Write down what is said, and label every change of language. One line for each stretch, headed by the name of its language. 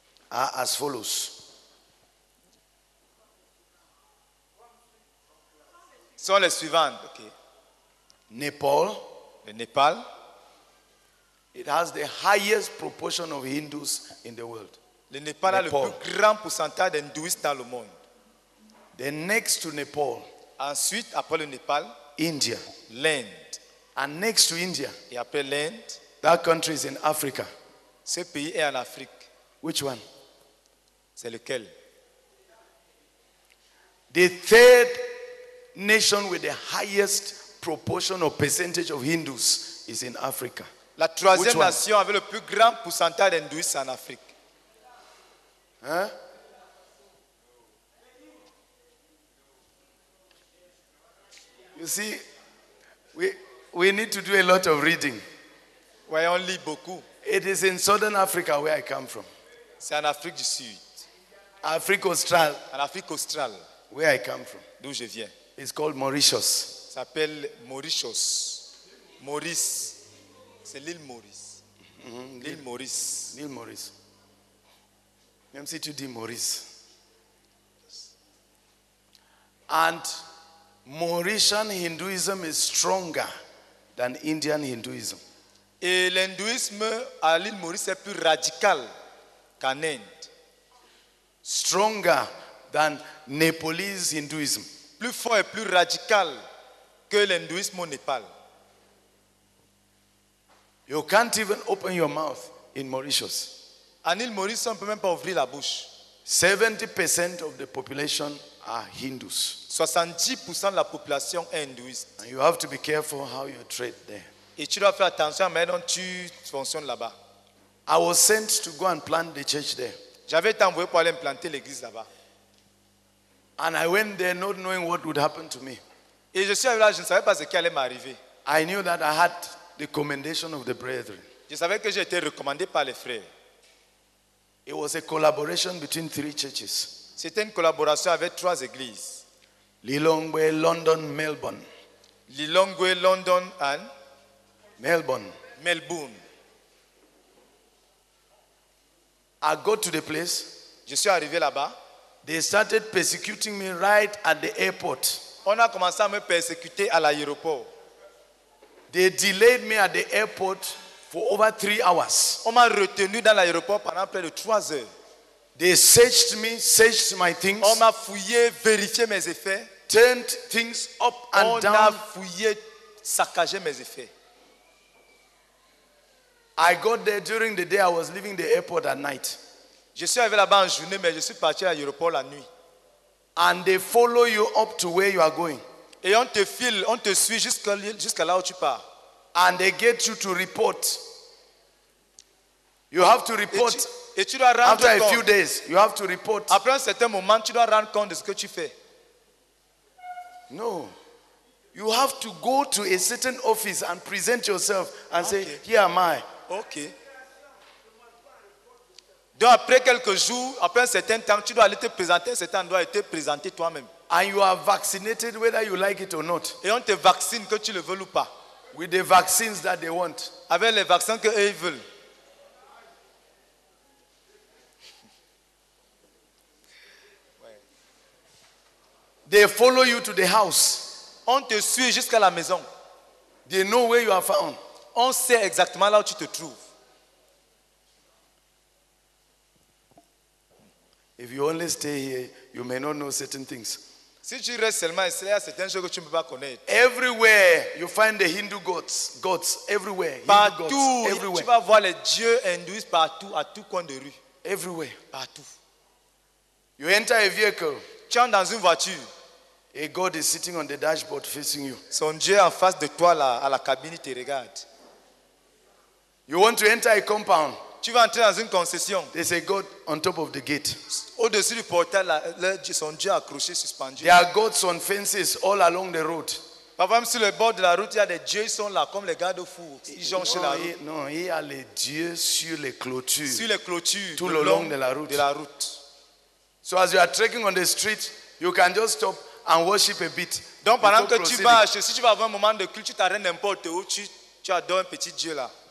English: Are as follows.
French: Sont les suivantes. Okay.
English: Nepal.
French: Le Népal.
English: It has the highest proportion of Hindus in the world.
French: Le Népal a le plus grand pourcentage d'hindouistes dans le monde.
English: Then next to Nepal,
French: ensuite après le Népal,
English: India,
French: l'Inde.
English: And next to India,
French: et après l'Inde,
English: that country is in Africa.
French: Ce pays est en Afrique.
English: Which one?
French: C'est lequel?
English: The third nation with the highest proportion or percentage of Hindus is in Africa.
French: La troisième nation avec le plus grand pourcentage d'hindous en Afrique. Hein?
English: You see, we need to do a lot of reading.
French: Ouais, on lit beaucoup.
English: It is in Southern Africa where I come from.
French: C'est en Afrique du Sud. Afrique australe. En Afrique australe.
English: Where I come from.
French: D'où je viens.
English: It's called Mauritius.
French: Ça s'appelle Mauritius. Maurice. C'est l'île Maurice. Mm-hmm. L'île Maurice. L'île Maurice. Même si tu dis Maurice.
English: And Mauritian Hinduism is stronger than Indian Hinduism.
French: Et l'hindouisme à l'île Maurice est plus radical qu'en Inde.
English: Stronger than Nepalese Hinduism.
French: Plus fort et plus radical que l'hindouisme au Népal.
English: You can't even open your mouth in Mauritius.
French: En île Maurice, on ne peut même pas ouvrir la bouche.
English: 70% of the population are Hindus.
French: 70% de la population est hindouiste.
English: And you have to be careful how you trade there.
French: Et tu dois faire attention à la manière dont tu fonctionnes là-bas.
English: I was sent to go and plant the church there.
French: J'avais été envoyé pour aller implanter l'église là-bas.
English: And I went there not knowing what would happen to me.
French: Et je suis allé là, je ne savais pas ce qui allait m'arriver.
English: I knew that I had the commendation of the brethren.
French: Je savais que j'étais recommandé par les frères.
English: It was a collaboration between three churches.
French: C'était une collaboration avec trois églises.
English: Lilongwe, London, Melbourne. Lilongwe, London, and Melbourne.
French: Melbourne.
English: I got to the place.
French: Je suis arrivé là-bas.
English: They started persecuting me right at the airport.
French: On a commencé à me persécuter à l'aéroport.
English: They delayed me at the airport for over 3 hours.
French: On m'a retenu dans l'aéroport pendant près de 3 heures.
English: They searched me, searched my things.
French: On m'a fouillé, vérifié mes effets.
English: Turned things up and
French: on
English: down.
French: On a fouillé, saccagé mes effets.
English: I got there during the day. I was leaving the airport at night.
French: Je suis arrivé là-bas en journée, mais je suis parti à l'aéroport la nuit.
English: And they follow you up to where you are going.
French: Et on te file, on te suit jusqu'à là où tu pars.
English: And they get you to report. You have to report.
French: Et tu dois rendre
English: after
French: compte.
English: A few days, you have to report. Après un certain moment, tu dois rendre compte de ce que tu fais. No. You have to go to a certain office and present yourself and okay. Say, here am I. Okay.
French: Donc après quelques jours, après un certain temps, tu dois aller te présenter, un certain endroit et te présenter toi-même.
English: And you are vaccinated whether you like it or not.
French: Et on te vaccine que tu le veux ou pas.
English: With the vaccines that they want.
French: Avec les vaccins que eux veulent.
English: They follow you to the house.
French: On te suit jusqu'à la maison.
English: They know where you are found.
French: On sait exactement là où tu te trouves.
English: If you only stay here, you may not know certain things.
French: Si tu restes seulement ici, il y a certaines choses que tu ne peux pas connaître.
English: Everywhere you find the Hindu gods everywhere.
French: Partout,
English: Hindu gods, everywhere.
French: Tu vas voir les dieux hindous partout, à tout coin de rue.
English: Everywhere,
French: partout.
English: You enter a vehicle.
French: Tu entres dans une voiture.
English: A God is sitting on the dashboard facing you.
French: Son Dieu en face de toi là, à la cabine, te regarde.
English: You want to enter a compound.
French: Tu vas entrer dans une concession.
English: There's a God on top of the gate.
French: Au-dessus du portail, là, son Dieu accroché, suspendu.
English: There are gods on fences all along the road.
French: Parfois même sur le bord de la route, il y a des dieux, ils sont là, comme les gardes-fous. Ils jonchent la route. Non, il y a les dieux sur les clôtures. Sur les clôtures. Tout le long de la route. De la route.
English: So as you are trekking on the street, you can just stop and worship a bit.
French: Donc pendant que tu marches, si tu vas avoir un moment de culte, tu t'arrêtes n'importe où, tu adores un petit dieu là.